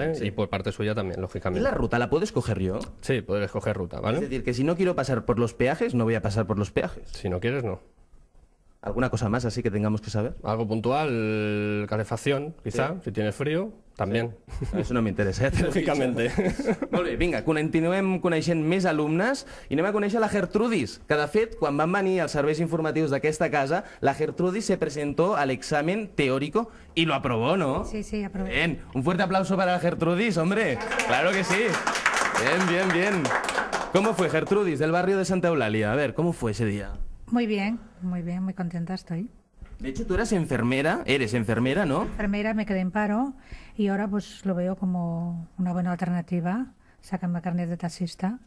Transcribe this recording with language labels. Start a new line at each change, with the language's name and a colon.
Spanish: ¿Vale? Sí. Y por parte suya también, lógicamente. ¿Y la ruta la puedo escoger yo? Sí, puedes escoger ruta, ¿vale? Es decir, que si no quiero pasar por los peajes, no voy a pasar por los peajes. Si no quieres, no. ¿Alguna cosa más así que tengamos que saber? Algo puntual, calefacción, quizá, sí. Si tienes frío, también. Sí. Eso no me interesa, ¿eh? Lógicamente.
Catalan: Molt bé, vinga, continuem coneixent més alumnes i anem a conèixer la Gertrudis, que de fet, quan van venir els serveis informatius d'aquesta casa, la Gertrudis
Spanish: se presentó
Catalan: a l'examen teórico i
Spanish: lo aprobó, ¿no? Sí, aprobó. Bien, un fuerte aplauso para la Gertrudis, hombre. Gracias. Claro que sí. Bien. ¿Cómo fue Gertrudis, del barrio de Santa Eulalia? A ver, ¿cómo fue ese día? Muy bien, muy contenta estoy. De hecho, tú eres enfermera, ¿no? Enfermera, me quedé en paro y ahora pues lo veo como una buena alternativa, sacarme carnet de taxista.